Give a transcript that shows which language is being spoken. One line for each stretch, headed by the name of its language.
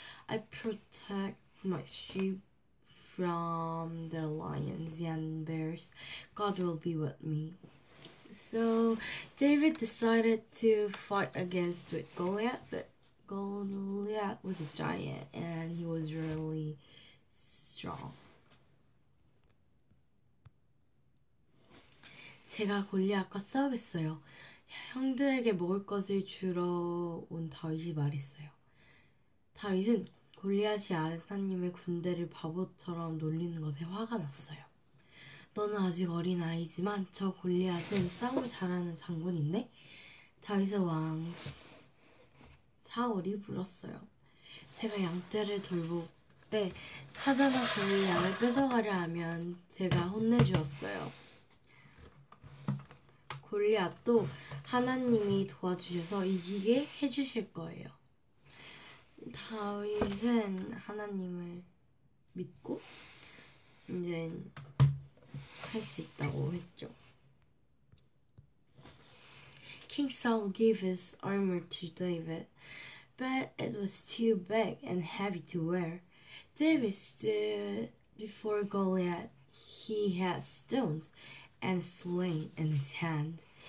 English: I protect my sheep from the lions and bears. God will be with me. So David decided to fight against with Goliath, but Goliath was a giant and he was really strong.
Korean: 제가 골리앗과 싸우겠어요. 형들에게 먹을 것을 주러 온 다윗이 말했어요. 다윗은 골리앗이 하나님의 군대를 바보처럼 놀리는 것에 화가 났어요. 너는 아직 어린 아이지만 저 골리앗은 싸움을 잘하는 장군인데? 다윗의 왕 사울이 물었어요. 제가 양떼를 돌볼 때 사자나 골리앗을 뺏어가려 하면 제가 혼내주었어요. 골리앗도 하나님이 도와주셔서 이기게 해주실 거예요. 다윗은 하나님을 믿고 이제 할 수 있다고 했죠.
English: King Saul gave his armor to David, but it was too big and heavy to wear. David stood before Goliath. He had stones and a sling in his hand.